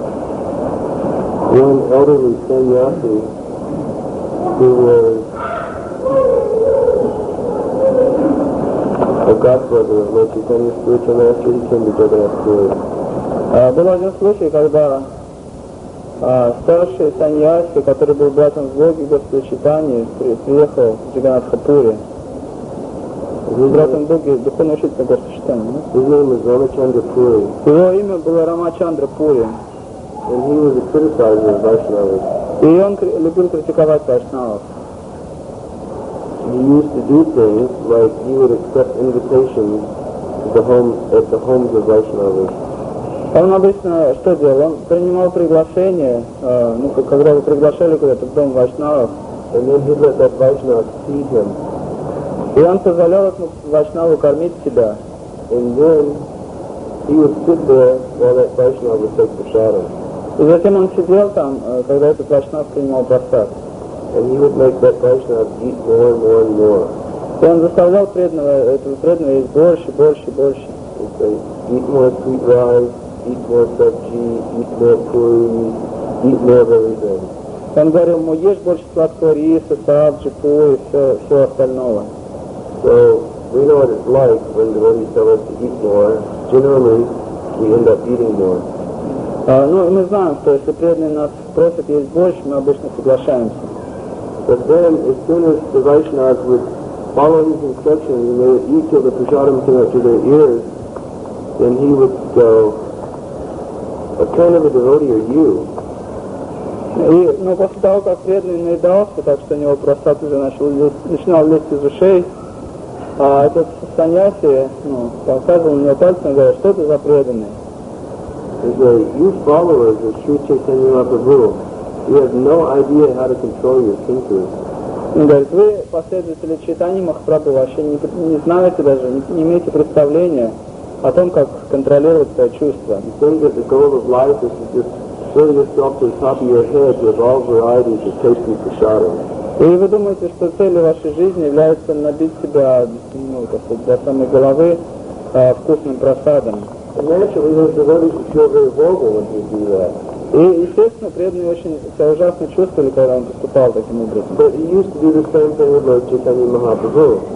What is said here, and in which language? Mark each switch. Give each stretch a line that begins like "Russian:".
English: One elderly sannyasi who was a god brother of Lord Chaitanya's spiritual master, he came to Jagannath Puri.
Russian: Был один случай, когда старший саньяси, который был братом в Боге Господа Чайтаньи, приехал в Джаганнатха Пури. Братом Боги, духовный учитель Господа Чайтаньи.
English: His name was Рамачандра Пури.
Russian: Его имя было Рамачандра Пури.
English: And he was a criticizer of Vaishnavas.
Russian: И он любил критиковать Вайшнавов.
English: He used to do things like he would accept invitations at the homes of Vaishnavas.
Russian: Он обычно что делал? Он принимал приглашение, ну когда его приглашали куда-то в дом Вайшнавов.
English: And then he'd let that Vaishnava feed him.
Russian: И он позволял этому Вайшнаву кормить себя.
English: And then he would sit there while that Vaishnava would take the shadow.
Russian: И затем он сидел там, когда этот вайшнав принимал прасад.
English: And he would make that vaishnav eat more and more and more.
Russian: И он заставлял преданного, этого преданного есть больше, больше, больше.
English: He'd say, eat more sweet rice, eat more sabji, eat more puri, eat more of everything.
Russian: Он говорил ему, ешь больше сладкого риса, сабджи, пури, все, все остальное.
English: So, we know what it's like when the devotee tells us to eat more. Generally, we end up eating more.
Russian: Ну, мы знаем, что если преданные нас просят есть больше, мы обычно соглашаемся.
English: But then, as soon as the Vaishnavas would follow his instructions and they would eat till the prasadam came up to their ears, then he would go, what kind of a devotee are you?
Russian: И, ну, после того, как преданный наедался, так что у него прасад уже начинал лезть из ушей, этот саньяси, ну, показывал мне пальцем и говорил, что это за преданный?
English: He said, you followers of Sri Chaitanya Mahaprabhu, you have no idea how to control your thinkers.
Russian: Он говорит, вы, последователи Чайтаньи Махапрабху, вообще не знаете даже, не имеете представления о том, как контролировать свои чувства.
English: He said that the goal of life is to just fill yourself to the top of your head with all varieties of tasty prasadam.
Russian: И вы думаете, что целью вашей жизни является набить себя, ну, как сказать, до самой головы вкусным прасадом. И, естественно, преданные очень себя ужасно чувствовали, когда он поступал таким образом.